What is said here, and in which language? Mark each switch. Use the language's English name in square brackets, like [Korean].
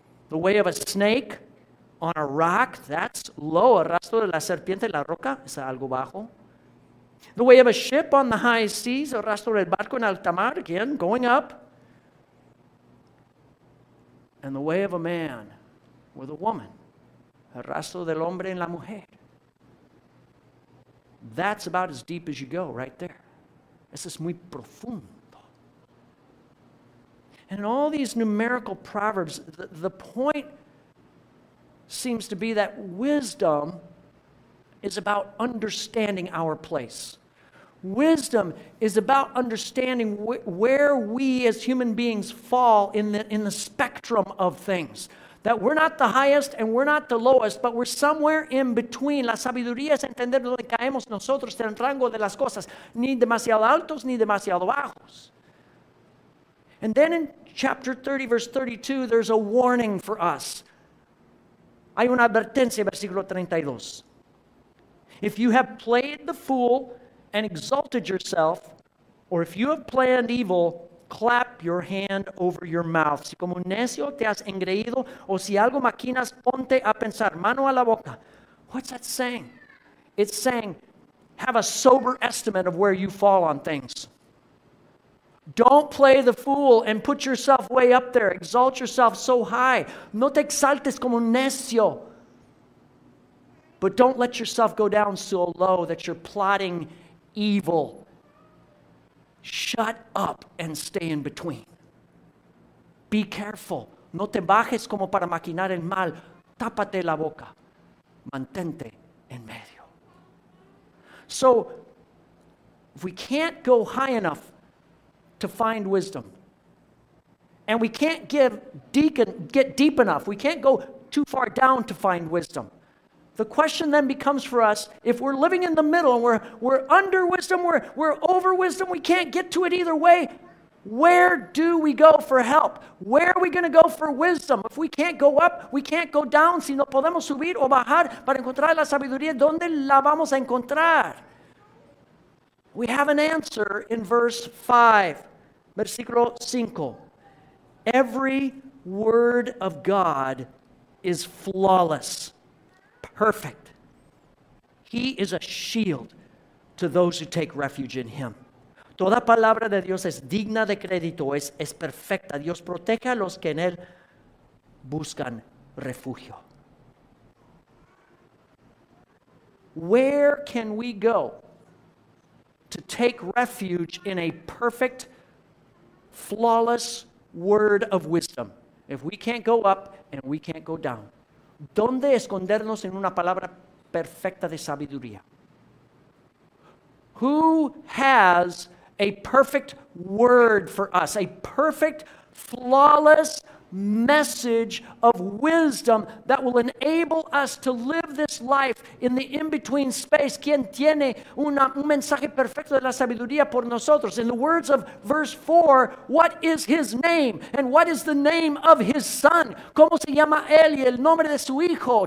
[English] The way of a snake on a rock, that's low. [Spanish] El raso de la serpiente en la roca es algo bajo. [English] The way of a ship on the high seas, [Spanish] el rastro del barco en alta mar, [English] again, going up. And the way of a man with a woman, [Spanish] el rastro del hombre en la mujer. [English] That's about as deep as you go right there. [Spanish] Eso es muy profundo. [English] And in all these numerical proverbs, the point seems to be that wisdom is about understanding our place. Wisdom is about understanding where we as human beings fall in the spectrum of things. That we're not the highest and we're not the lowest, but we're somewhere in between. [Spanish] La sabiduría es entender dónde caemos nosotros en el rango de las cosas. Ni demasiado altos, ni demasiado bajos. [English] And then in chapter 30, verse 32, there's a warning for us. [Spanish] Hay una advertencia, versículo 32. [English] If you have played the fool and exalted yourself, or if you have planned evil, clap your hand over your mouth. [Spanish] Si como un necio te has engreído, o si algo maquinas, ponte a pensar. Mano a la boca. [English] What's that saying? It's saying, have a sober estimate of where you fall on things. Don't play the fool and put yourself way up there. Exalt yourself so high. [Spanish] No te exaltes como un necio. [English] But don't let yourself go down so low that you're plotting evil. Shut up and stay in between. Be careful. [Spanish] No te bajes como para maquinar el mal. Tápate la boca. Mantente en medio. [English] So, if we can't go high enough to find wisdom, and we can't get deep enough, we can't go too far down to find wisdom, the question then becomes for us, if we're living in the middle and we're under wisdom, we're over wisdom, we can't get to it either way, where do we go for help? Where are we going to go for wisdom? If we can't go up, we can't go down. [Spanish] Si no podemos subir o bajar para encontrar la sabiduría, ¿dónde la vamos a encontrar? [English] We have an answer in verse 5, [Spanish] versículo 5. [English] Every word of God is flawless. perfect. He is a shield to those who take refuge in him. [Spanish] Toda palabra de Dios es digna de crédito, es perfecta. Dios protege a los que en él buscan refugio. [English] Where can we go to take refuge in a perfect, flawless word of wisdom? If we can't go up and we can't go down. [Spanish] ¿Dónde escondernos en una palabra perfecta de sabiduría? [English] Who has a perfect word for us? A perfect, flawless message of wisdom that will enable us to live this life in the in-between space. [Spanish] ¿Quién tiene un mensaje perfecto de la sabiduría por nosotros? [English] In the words of verse 4, what is his name? And what is the name of his son? [Spanish] ¿Cómo se llama él y el nombre de su hijo?